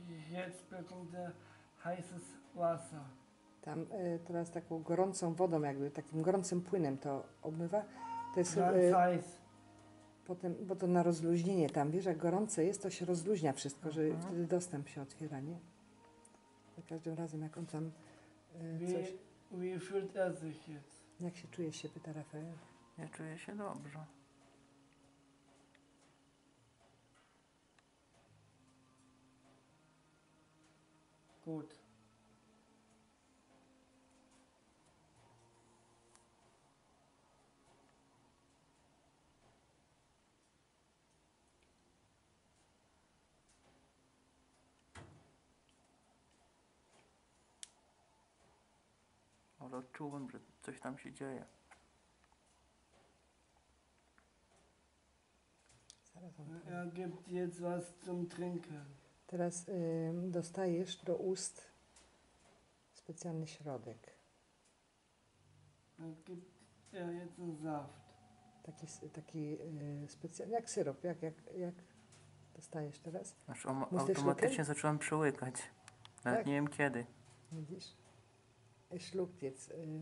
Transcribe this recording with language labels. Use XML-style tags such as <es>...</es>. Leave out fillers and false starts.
<de>Jedz pekunde heißes Wasser.</de> <pl>Tam teraz taką gorącą wodą, jakby takim gorącym płynem to obmywa. To jest potem, bo to na rozluźnienie tam, wiesz, jak gorące jest, to się rozluźnia wszystko, że wtedy dostęp się otwiera, nie? Za każdym razem, jak on tam coś...</pl> <de>Wie fühlt er sich jetzt?</de> <pl>Jak się czujesz, się pyta Rafael. Ja czuję się dobrze.</pl> <de>Gut.</de> <pl>Ale odczułem, że coś tam się dzieje.</pl> <de>Er gibt jetzt was zum Trinken.</de> <pl>Teraz dostajesz do ust specjalny środek.</pl> <de>Er gibt jetzt einen Saft.</de> <pl>Taki specjalny, jak syrop, jak dostajesz teraz? Znaczy, automatycznie zacząłem przełykać. Nawet tak. Nie wiem kiedy. Widzisz?</pl> <de>Er schluckt jetzt.</de>